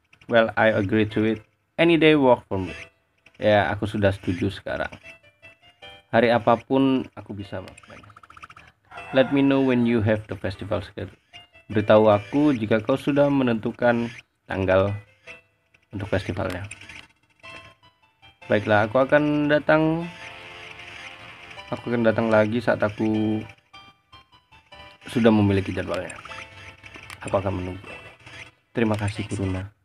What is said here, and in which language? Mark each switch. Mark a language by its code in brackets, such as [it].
[en] Well, I agree to it. Any day work for me. [id] Ya, aku sudah setuju sekarang. Hari apapun aku bisa. [en] Let me know when you have the festival schedule. [id] Beritahu aku jika kau sudah menentukan tanggal untuk festivalnya. Baiklah, aku akan datang. Aku akan datang lagi saat aku sudah memiliki jadwalnya. Aku akan menunggu. Terima kasih, Kuruna.